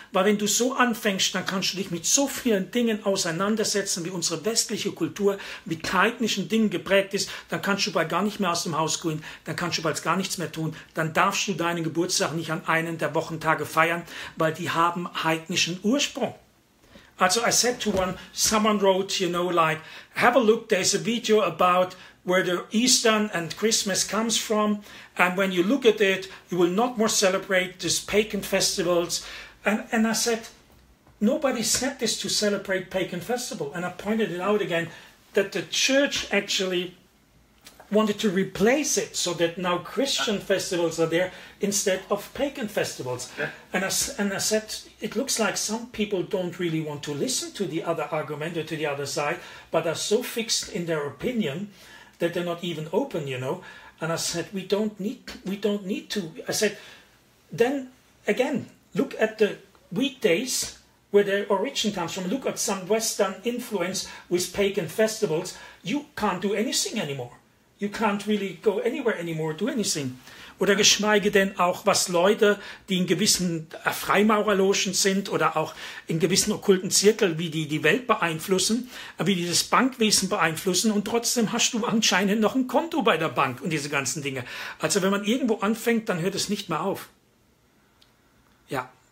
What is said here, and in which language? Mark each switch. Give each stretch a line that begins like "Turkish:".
German: Weil wenn du so anfängst, dann kannst du dich mit so vielen Dingen auseinandersetzen, wie unsere westliche Kultur mit heidnischen Dingen geprägt ist, dann kannst du bald gar nicht mehr aus dem Haus gehen, dann kannst du bald gar nichts mehr tun, dann darfst du deinen Geburtstag nicht an einem der Wochentage feiern, weil die haben heidnischen Ursprung.
English: Also I said to one, someone wrote, you know, like, have a look, there's a video about where the Eastern and Christmas comes from, and when you look at it, you will not more celebrate these pagan festivals. And I said, nobody said this to celebrate pagan festival. And I pointed it out again, that the church actually wanted to replace it so that now Christian festivals are there instead of pagan festivals. And I said, it looks like some people don't really want to listen to the other argument or to the other side, but are so fixed in their opinion that they're not even open, you know. And I said, we don't need to. I said, then again, look at the weekdays where the origin comes from. Look at some Western influence with pagan festivals. You can't do anything anymore. You can't really go anywhere anymore, do anything.
German: Oder geschweige denn auch, was Leute, die in gewissen Freimaurerlogen sind oder auch in gewissen okkulten Zirkeln, wie die die Welt beeinflussen, wie die das Bankwesen beeinflussen und trotzdem hast du anscheinend noch ein Konto bei der Bank und diese ganzen Dinge. Also wenn man irgendwo anfängt, dann hört es nicht mehr auf. Ja.